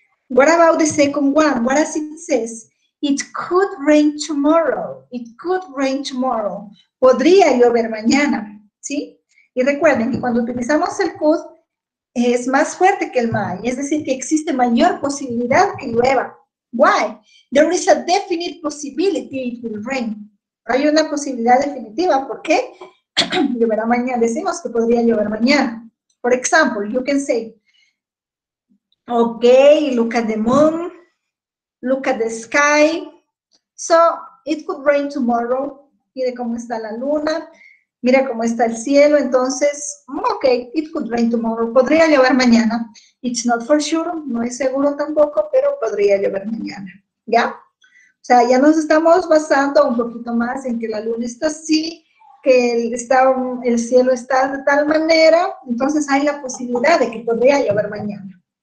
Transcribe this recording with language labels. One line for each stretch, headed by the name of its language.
English: What about the second one? What does it say? It could rain tomorrow. It could rain tomorrow.
Spanish: Podría llover mañana, ¿sí? Y recuerden que cuando utilizamos el could, es más fuerte que el may. Es decir, que existe mayor posibilidad que llueva.
English: Why? There is a definite possibility it will rain.
Spanish: Hay una posibilidad definitiva. ¿Por qué? Lloverá mañana. Decimos que podría llover mañana.
English: For example, you can say, okay, look at the moon, look at the sky. So, it could rain tomorrow.
Spanish: Mire cómo está la luna, mira cómo está el cielo.
English: Entonces, okay, it could rain tomorrow.
Spanish: Podría llover mañana.
English: It's not for sure,
Spanish: no es seguro tampoco, pero podría llover mañana. ¿Ya? O sea, ya nos estamos basando un poquito más en que la luna está así, que el cielo está de tal manera, entonces hay la posibilidad de que podría llover mañana.